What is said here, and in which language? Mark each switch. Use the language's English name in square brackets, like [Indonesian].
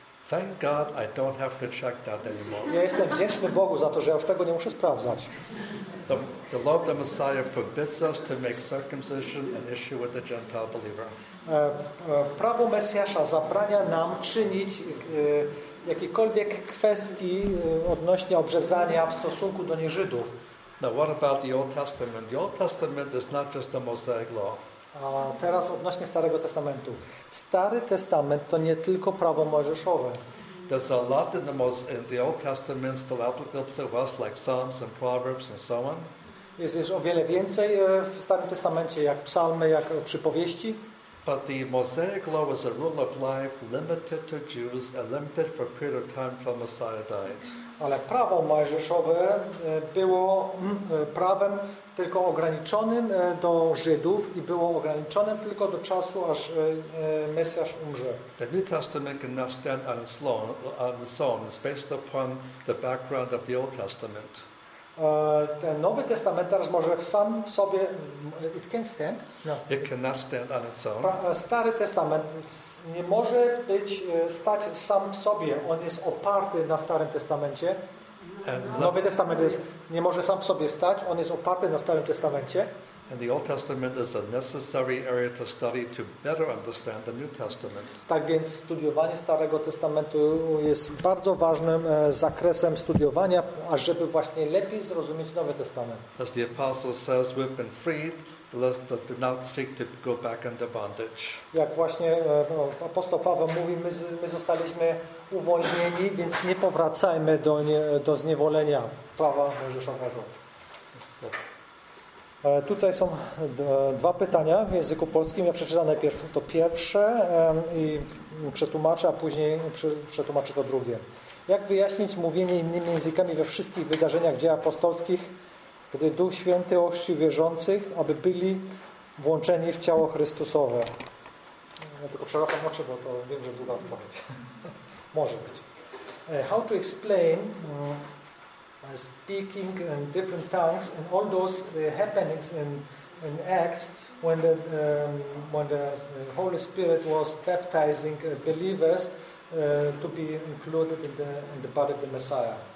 [English] Thank God I don't have to check that anymore. [Polish] Ja jestem wdzięczny Bogu za to, że ja już tego nie muszę sprawdzać. [English] The law of the Messiah forbids us to make circumcision an issue with the Gentile believer. [Polish] Prawo Mesjasza zabrania nam czynić jakiekolwiek kwestii odnośnie obrzezania w stosunku do nieżydów. [English] Now what about the Old Testament? The Old Testament is not just the Mosaic law. [Polish] A teraz odnośnie Starego Testamentu. Stary Testament to nie tylko prawo mojżeszowe. [English] There's a lot in the Old Testament still applicable to us, like Psalms and Proverbs and so on. [Polish] Jest o wiele więcej w Starym Testamencie, jak psalmy, jak przypowieści. [English] But the Mosaic law was a rule of life limited to Jews and limited for a period of time till Messiah died. [Polish] Ale prawo mojżeszowe było prawem tylko ograniczonym do Żydów i było ograniczonym tylko do czasu, aż Mesjasz umrze. [English] The New Testament cannot stand on its own. It's based upon the background of the Old Testament. [Polish] Ten Nowy Testament teraz może sam w sobie, [English] it can stand. No. It cannot stand on its own. [Polish] Stary Testament nie może stać sam w sobie. On jest oparty na Starym Testamencie. Nowy Testament nie może sam w sobie stać. On jest oparty na Starym Testamencie. [English] And the Old Testament is a necessary area to study to better understand the New Testament. [Polish] Tak więc studiowanie Starego Testamentu jest bardzo ważnym zakresem studiowania, ażeby właśnie lepiej zrozumieć Nowy Testament. [English] As the apostle says, we've been freed, let us not seek to go back into bondage. [Polish] Jak właśnie apostoł Paweł mówi, my zostaliśmy uwolnieni, więc nie powracajmy do zniewolenia prawa mojżeszowego. Tutaj są dwa pytania w języku polskim. Ja przeczytam najpierw to pierwsze i przetłumaczę, a później przetłumaczę to drugie. Jak wyjaśnić mówienie innymi językami we wszystkich wydarzeniach dzieł apostolskich, gdy Duch Święty ochrzcił wierzących, aby byli włączeni w ciało Chrystusowe? Ja tylko przerazam oczy, bo to wiem, że długa odpowiedź. Może być. [English] How to explain speaking in different tongues and all those happenings in Acts when the Holy Spirit was baptizing believers to be included in the body of the Messiah.